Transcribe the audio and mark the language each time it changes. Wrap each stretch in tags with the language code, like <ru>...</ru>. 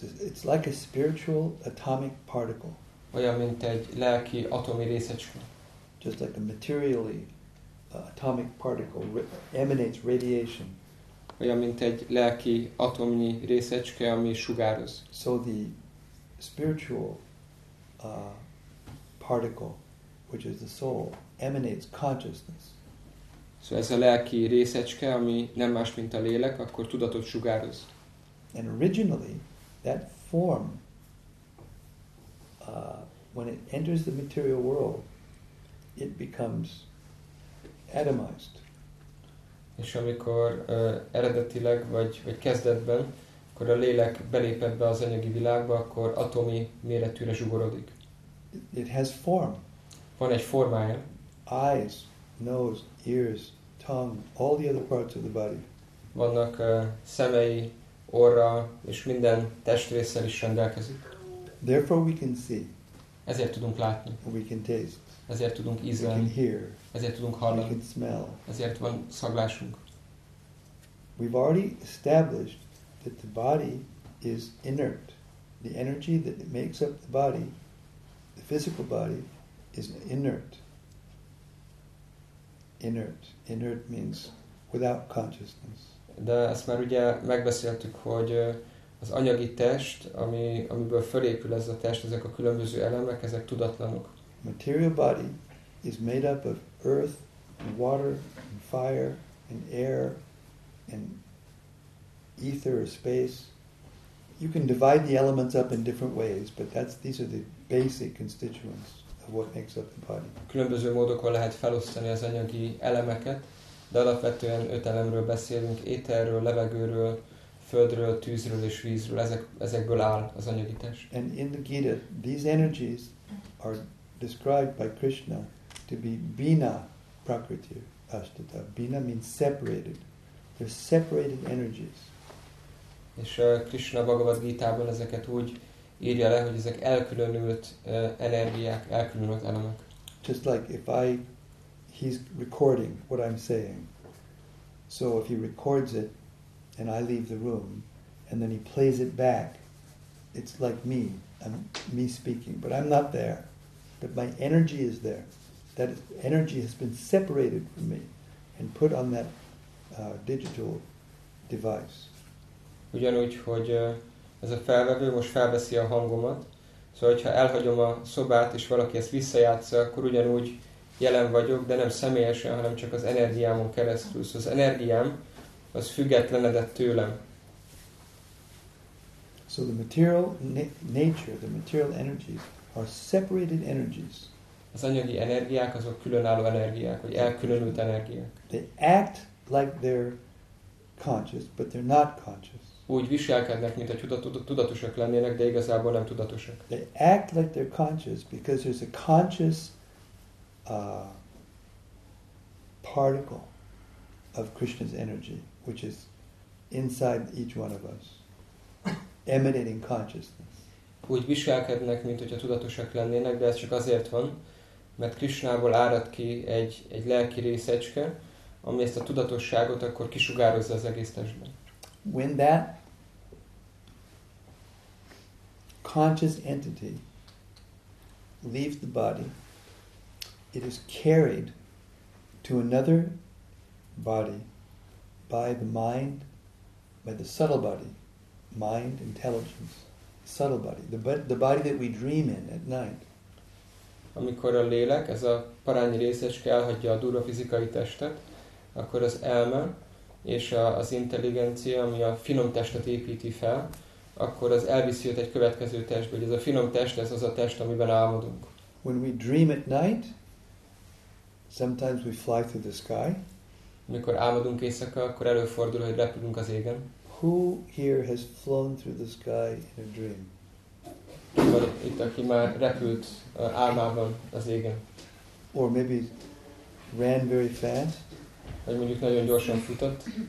<en>It's like a spiritual atomic particle.</en> <hu>Olyan, mint egy lelki atomi részecske.</hu> <en>Just like a materially atomic particle emanates radiation.</en> <hu>Olyan, mint egy lelki atomnyi részecske, ami sugároz.</hu> <en>So the spiritual particle, which is the soul, emanates consciousness.</en> <hu>Szóval ez a lelki részecske, ami nem más, mint a lélek, akkor tudatot sugároz.</hu> <en>And originally, that form, when it enters the material world, it becomes atomized.</en> <hu>És amikor eredetileg, vagy kezdetben, akkor a lélek belép ebbe az anyagi világba, akkor atomi méretűre zsugorodik.</hu> <en>It has form.</en> <hu>Van egy formája.</hu> <en>Eyes, nose, ears, tongue, all the other parts of the body.</en> <hu>Vannak szemei, orra, és minden testrésszel is rendelkezik.</hu> <en>Therefore we can see.</en> <hu>Ezért tudunk látni.</hu> <en>We can taste.</en> <hu>Ezért tudunk ízlelni.</hu> <en>We can hear.</en> <hu>Ezért tudunk hallani.</hu> <en>We can smell.</en> <hu>Ezért van szaglásunk.</hu> <en>We've already established that the body is inert. The energy that makes up the body, the physical body, is inert. Inert. Inert means without consciousness.</en> <hu>De ezt már ugye megbeszéltük, hogy az anyagi test, amiből fölépül ez a test, ezek a különböző elemek, ezek tudatlanok.</hu> <en>Material body is made up of earth and water and fire and air and ether or space. You can divide the elements up in different ways, but these are the basic constituents of what makes up the body.</en> <hu>Különböző módokon lehet felosztani az anyagi elemeket, de alapvetően öt elemről beszélünk: éterről, levegőről, földről, tűzről és vízről. Ezekből áll az anyagi test.</hu> <en>And in the Gita, these energies are described by Krishna to be</en> <sa>bina prakriti ashtata.</sa> <en>Bina means separated. They're separated energies.</en> <hu>És Krishna Bhagavad Gita-ban ezeket úgy írja le, hogy ezek elkülönült energiák, elkülönült elemek.</hu> <en>Just like he's recording what I'm saying. So if he records it and I leave the room and then he plays it back, it's like me. I'm me speaking, but I'm not there. But my energy is there. That energy has been separated from me and put on that digital device.</en> <hu>Ugyanúgy, hogy ez a felvevő most felveszi a hangomat, szóval hogyha elhagyom a szobát és valaki ezt visszajátsza, akkor ugyanúgy jelen vagyok, de nem személyesen, hanem csak az energiámon keresztül. Szóval az energiám az függetlenedett tőlem.</hu> <en>So the material nature, the material energies are separated energies.</en> <hu>Az anyagi energiák azok különálló energiák, vagy elkülönült energiák.</hu> <en>They act like they're conscious, but they're not conscious.</en> <hu>Úgy viselkednek, mint a tudatosak lennének, de igazából nem tudatosak.</hu> <en>They act like they're conscious because there's a conscious particle of Krishna's energy, which is inside each one of us, emanating consciousness.</en> <hu>Úgy viselkednek, mint hogyha tudatosak lennének, de ez csak azért van, mert Krishnából árad ki egy lelki részecske, ami ezt a tudatosságot akkor kisugározza az egész testben.</hu> <en>When that conscious entity leaves the body, it is carried to another body by the mind, by the subtle body, mind, intelligence, subtle body, the body that we dream in at night.</en> <hu>Amikor a lélek, ez a parányi részecske elhagyja a durva fizikai testet, akkor az elme és az intelligencia, ami a finom testet építi fel, akkor az elviszi őt egy következő testbe, hogy ez a finom test, ez az a test, amiben álmodunk.</hu> <en>When we dream at night, sometimes we fly through the sky.</en> <hu>Amikor álmodunk éjszaka, akkor előfordul, hogy repülünk az égen.</hu> <en>Who here has flown through the sky in a dream?</en> <hu>Itt, aki már repült álmában az égen.</hu> <en>Or maybe ran very fast.</en> <hu>Vagy mondjuk nagyon gyorsan futott.</hu>